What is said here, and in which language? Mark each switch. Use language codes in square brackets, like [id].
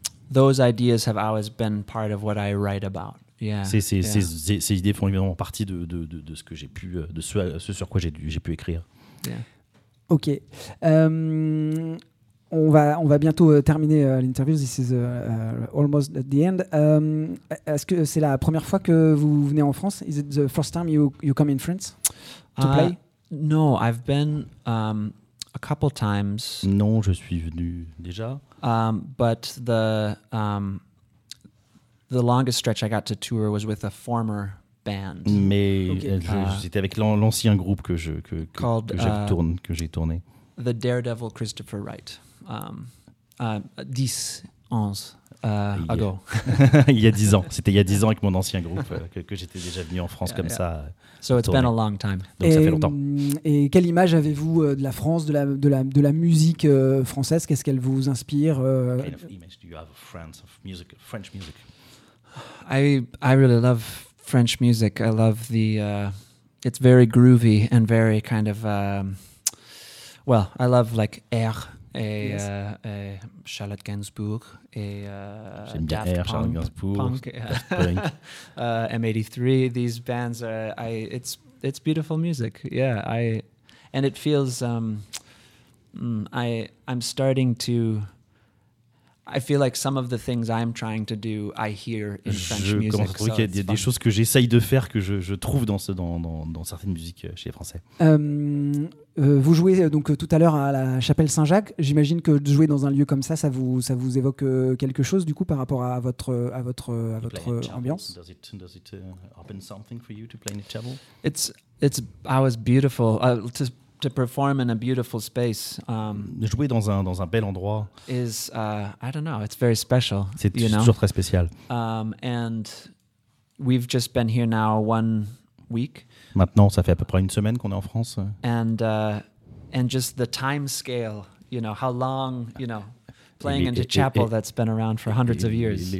[en] Those ideas have always been part of what I write about. Yeah. [fr] Ces idées font évidemment partie de ce que j'ai pu ce sur quoi j'ai pu écrire. [en] Yeah. [fr] Ok. On va bientôt terminer l'interview. [en] This is almost at the end. [fr] Est-ce que c'est la première fois que vous venez en France? [en] Is it the first time you come in France to play? No, I've been a couple times. [fr] Non, je suis venu déjà. [en] But the longest stretch I got to tour was with a former band. [fr] Mais j'étais avec l'ancien groupe que j'ai tourné. [en] The Daredevil Christopher Wright. 10 ans ago. [fr] Il y a 10 ans. C'était il y a 10 ans avec mon ancien groupe que j'étais déjà venu en France ça. [en] So it's been a long time. [fr] Donc ça fait longtemps. Et quelle image avez-vous de la France, de la musique française? Qu'est-ce qu'elle vous inspire? [en] What kind of image do you have of France, of music, of French music? I really love French music. I love the It's very groovy and very kind of well, I love like R et, yes. [fr] Et Charlotte Gainsbourg et J'aime bien Daft R, Punk, Charlotte Gainsbourg, [en] Punk, M83. These bands are it's beautiful music. Yeah, I feel like some of the things I'm trying to do, I hear in French music. [fr] Je pense qu'il y a des choses que j'essaye de faire que je trouve dans certaines musiques chez les Français. Vous jouez donc tout à l'heure à la Chapelle Saint-Jacques. J'imagine que de jouer dans un lieu comme ça, ça vous évoque quelque chose du coup par rapport à votre ambiance. [en] Does it open something for you to play in a chapel? It's always beautiful. To perform in a beautiful space. [fr] Jouer dans un bel endroit. [en] Is I don't know. It's very special. [fr] C'est [en] you [fr] toujours [en] know? [fr] Très spécial. [en] And we've just been here now 1 week. [fr] Maintenant, ça fait à peu près une semaine qu'on est en France. [en] And just the time scale. You know how long. You know, playing in a chapel that's been around for hundreds of years.